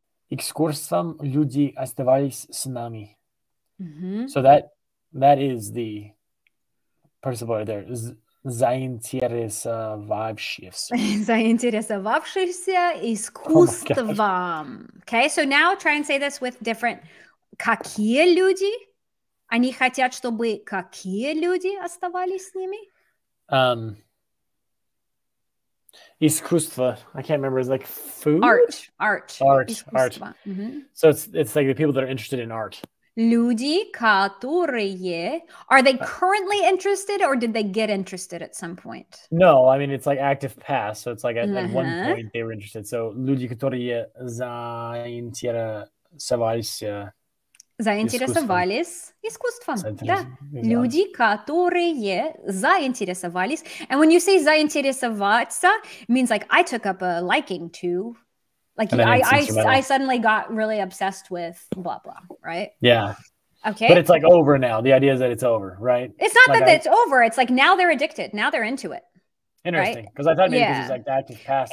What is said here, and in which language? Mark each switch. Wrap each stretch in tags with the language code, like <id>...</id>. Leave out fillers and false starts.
<ru>Экскурсом люди оставались с нами. Mm-hmm.</ru> <en>So that is the principle right there.</en> <ru>Заинтересовавшиеся искусством.</ru> <en>Oh, okay, so now try and say this with different...</en> <ru>Какие люди? Они хотят, чтобы какие люди оставались с ними?</ru> <en>Искусство. I can't remember. It's like food? Art.</en> <ru>Искусство. Art. Mm-hmm.</ru> <en>So it's like the people that are interested in art.</en> <ru>Люди, которые...</ru> <en>Are they currently interested or did they get interested at some point? No, I mean, it's like active past. So it's like at one point they were interested.</en> <ru>So люди, которые заинтересовались... Заинтересовались искусством. Да. Люди, которые заинтересовались.</ru> <en>And when you say заинтересоваться, means like I took up a liking to. Like I suddenly got really obsessed with blah, blah, right? Yeah. Okay. But it's like over now. The idea is that it's over, right? It's not like that it's over. It's like now they're addicted. Now they're into it. Interesting. Because right? I thought maybe this is like the active past.</en>